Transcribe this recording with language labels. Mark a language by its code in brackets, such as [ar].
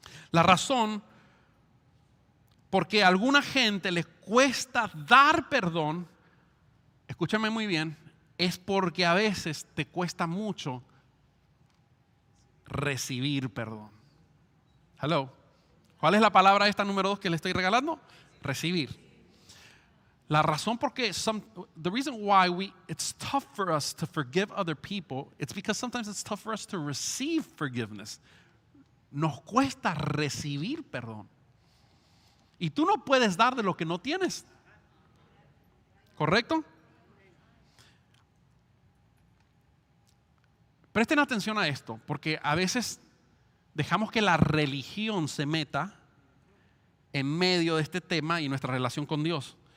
[es] La razón porque a alguna gente le cuesta dar perdón, escúchame muy bien, es porque a veces te cuesta mucho recibir perdón. Hello. ¿Cuál es la palabra esta número dos que le estoy regalando? Recibir. La razón por qué [en] the reason why it's tough for us to forgive other people, it's because sometimes it's tough for us to receive forgiveness. [es] Nos cuesta recibir perdón. Y tú no puedes dar de lo que no tienes. ¿Correcto? Presten atención a esto, porque a veces dejamos que la religión se meta en medio de este tema y nuestra relación con Dios.